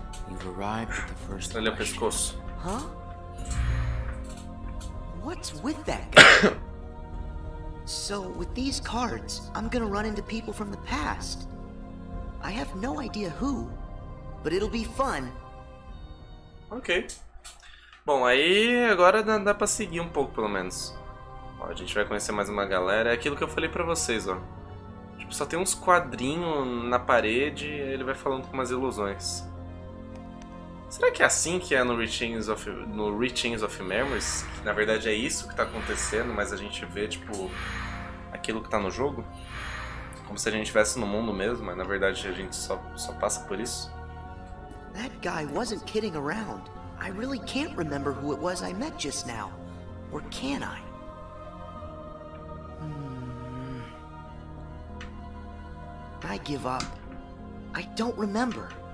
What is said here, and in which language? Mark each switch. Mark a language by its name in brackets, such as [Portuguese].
[English] You've arrived at the first question. Huh? What's with that guy? So, with these cards, I'm gonna run into people from the past. I have no idea who, but it'll be fun. Okay. [Portuguese] Bom, aí agora dá pra seguir um pouco, pelo menos. Ó, a gente vai conhecer mais uma galera. É aquilo que eu falei pra vocês, ó. Tipo, só tem uns quadrinhos na parede e ele vai falando com umas ilusões. Será que é assim que é no Reachings of Memories? Que, na verdade, é isso que tá acontecendo, mas a gente vê, tipo, aquilo que tá no jogo? Como se a gente estivesse no mundo mesmo, mas na verdade a gente só passa por isso? [English] That guy wasn't kidding around. I really can't remember who it was I met just now. Or can I? I give up. I don't remember.